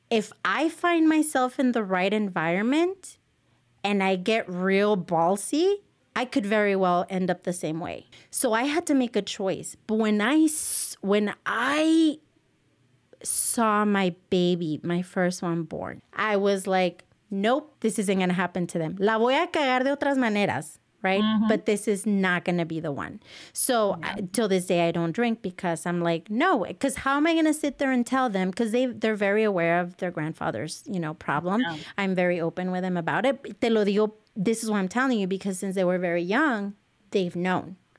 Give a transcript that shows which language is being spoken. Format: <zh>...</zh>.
<en>If I find myself in the right environment and I get real ballsy, I could very well end up the same way. So I had to make a choice. But when I saw my baby, my first one born, I was like, nope, this isn't going to happen to them.</en> <es>La voy a cagar de otras maneras,</es> <en>right? Mm-hmm. But this is not going to be the one. So till this day, I don't drink because I'm like, no, because how am I going to sit there and tell them? Because they're very aware of their grandfather's, you know, problem. Yeah. I'm very open with them about it.</en> <es>Te lo digo,</es> <en>this is what I'm telling you, because since they were very young, they've known.</en>